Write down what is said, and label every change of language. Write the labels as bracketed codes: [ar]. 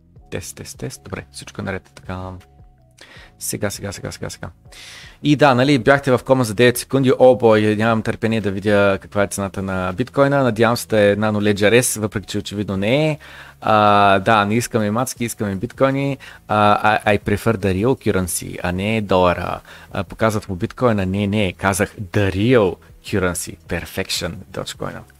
[bg] Тест. Добре, всичко наред. Така. Сега. И да, нали, бяхте в кома за 9 секунди, о бой, нямам търпение да видя каква е цената на биткоина, надявам се да е Nano Ledger S, въпреки че очевидно не е. Да, не искаме мацки, искаме биткоини. [en] I prefer the real currency, [bg] а не долара. Показват му биткоина, не, казах [en] the real currency, perfection, [bg] Dogecoin.